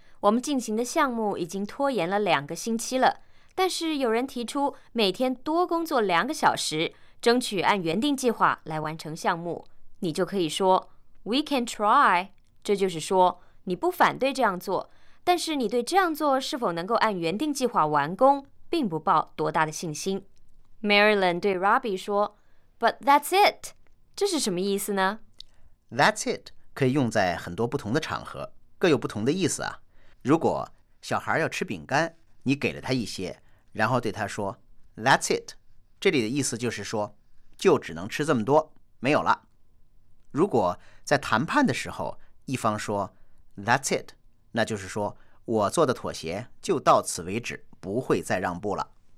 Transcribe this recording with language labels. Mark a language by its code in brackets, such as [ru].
[zh] 我们进行的项目已经拖延了两个星期了，但是有人提出每天多工作两个小时，争取按原定计划来完成项目，你就可以说 [en] We can try， [zh] 这就是说你不反对这样做，但是你对这样做是否能够按原定计划完工并不抱多大的信心。 Marilyn 对 Robbie 说 [en] But that's it， [zh] 这是什么意思呢？ [en] That's it [zh] 可以用在很多不同的场合，各有不同的意思啊。如果小孩要吃饼干，你给了他一些，然后对他说 [en] That's it， [zh] 这里的意思就是说就只能吃这么多，没有了。如果在谈判的时候一方说 [en] That's it， [zh] 那就是说我做的妥协就到此为止，不会再让步了。